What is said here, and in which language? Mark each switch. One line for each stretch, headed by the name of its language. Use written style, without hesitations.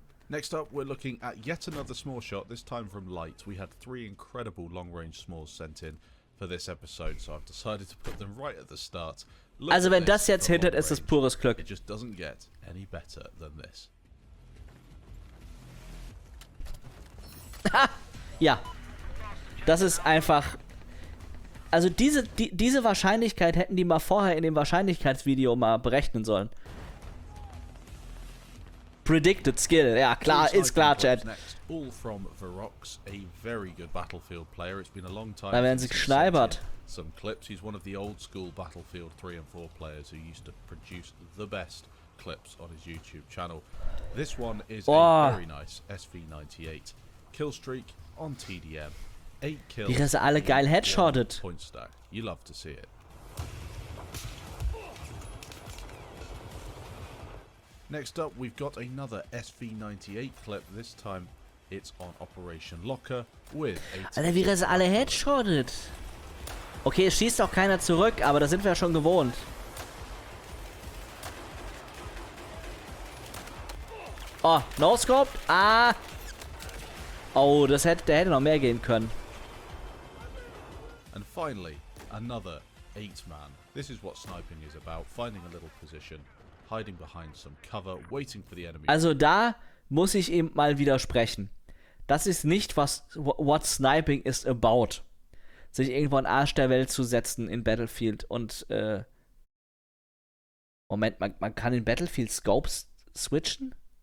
English: Next up, we're looking at yet another small shot, this time from Light. We had three incredible long range smalls sent in for this episode, so I've decided to put them right at the start.
German: Also wenn das jetzt hittet, ist es pures Glück.
English: It just doesn't get any better than this.
German: Ja. Das ist einfach... Also diese Wahrscheinlichkeit hätten die mal vorher in dem Wahrscheinlichkeitsvideo mal berechnen sollen. Predicted Skill. Ja, klar, ist klar, Chat.
English: All from Verox, a very good Battlefield player. It's been a long time.
German: Da werden sie geschneibert.
English: Some clips. He's one of the old school Battlefield 3 and 4 players who used to produce the best clips on his YouTube channel. This one is a very nice SV98 killstreak on TDM. 8 kills.
German: Die sind alle geil headshotted.
English: Point stack. You love to see it. Next up, we've got another SV98 clip. This time it's on Operation Locker with 18.
German: Alter, wie sind alle headshotted? Okay, es schießt auch keiner zurück, aber da sind wir ja schon gewohnt. Oh, no-scoped? Ah! Oh, der hätte noch mehr gehen können.
English: And finally, another 8-man. This is what sniping is about, finding a little position, hiding behind some cover, waiting for the enemy.
German: Also da muss ich eben mal widersprechen. Das ist nicht, was what sniping is about. Sich irgendwo in Arsch der Welt zu setzen in Battlefield und Moment, man kann in Battlefield Scopes switchen?